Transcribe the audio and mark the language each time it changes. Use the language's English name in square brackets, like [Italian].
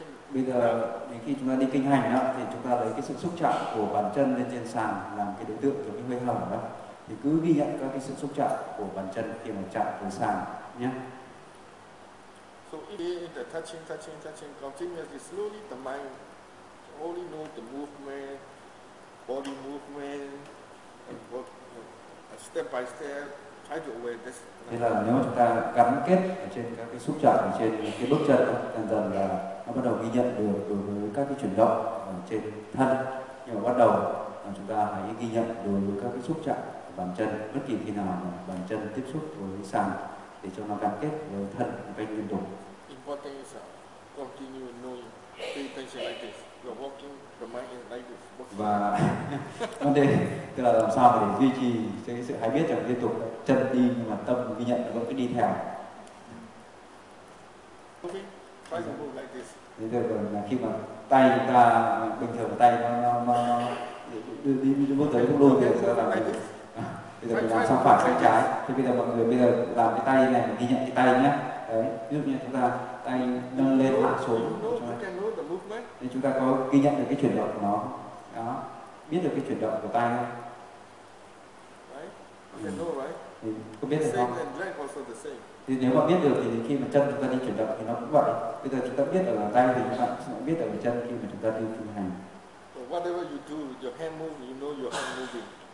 [Vietnamese] Bây giờ đến khi chúng ta đi kinh hành đó, thì chúng ta lấy cái sự xúc chạm của bàn chân lên trên sàn làm cái đối tượng cho cái hơi hồng đó, thì cứ ghi nhận các cái sự xúc chạm của bàn chân khi mà chạm tới sàn nhé. [English] So in the touching, touching, touching continuously, slowly the mind only know the movement, body movement, and work step by step, try to aware this. [Vietnamese] Thế là nếu chúng ta gắn kết ở trên các cái xúc chạm ở trên cái bước chân đó, dần dần là nó bắt đầu ghi nhận được đối với các cái chuyển động ở trên thân. Nhưng mà bắt đầu chúng ta hãy ghi nhận đối với các cái xúc chạm của bàn chân, bất kỳ khi nào bàn chân tiếp xúc với sàn, để cho nó gắn kết với thân một cách liên tục. [English] Important is continue knowing, pay attention like this. You're walking, the mind is like this. [Vietnamese] Và vấn đề tức là làm sao để duy trì cái sự hay biết rằng liên tục chân đi nhưng mà tâm ghi nhận nó vẫn cứ đi theo. [English] Okay, try to move like this. [Vietnamese] Thế là khi mà tay chúng ta bình thường tay nó đi như một tới không đôi thì sẽ làm gì? Bây giờ mình làm sang phải sang trái. Thì bây giờ mọi người bây giờ làm cái tay này, ghi nhận cái tay nhé. Đấy, ví dụ như chúng ta tay nâng lên hạ xuống. Thì chúng ta có ghi nhận được cái chuyển động của nó. Đó, biết được cái chuyển động của tay không? [English] Right? [Vietnamese] Có biết được không? Thì nếu mà biết được thì khi mà chân chúng ta đi chuyển động thì nó cũng vậy. Bây giờ chúng ta biết được là tay thì chúng ta cũng biết được là chân khi mà chúng ta đi thực hành. [English] Whatever you do, your hand move, you know your hand moving.